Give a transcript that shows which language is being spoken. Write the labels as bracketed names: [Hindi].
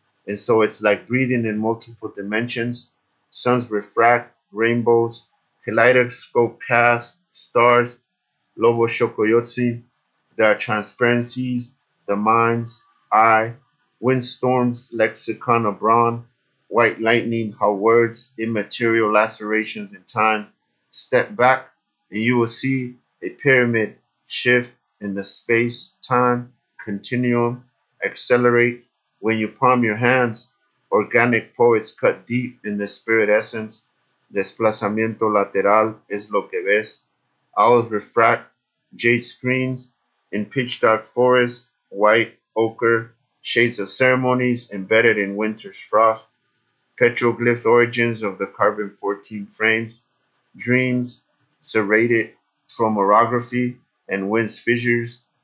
[English] and so it's like breathing in multiple dimensions, suns refract, rainbows, kaleidoscope cast, stars, lobo shokoyotsi, there are transparencies, the mind's eye, windstorms, lexicon of brawn, white lightning, how words, immaterial lacerations in time. Step back, and you will see a pyramid shift in the space-time continuum. Accelerate when you palm your hands. Organic poets cut deep in the spirit essence. [Spanish] Desplazamiento lateral es lo que ves. [English] Owls refract, jade screens in pitch-dark forest, white, ochre, shades of ceremonies embedded in winter's frost. Petroglyphs origins of the carbon 14 frames, dreams serrated from orography and wind's fissures.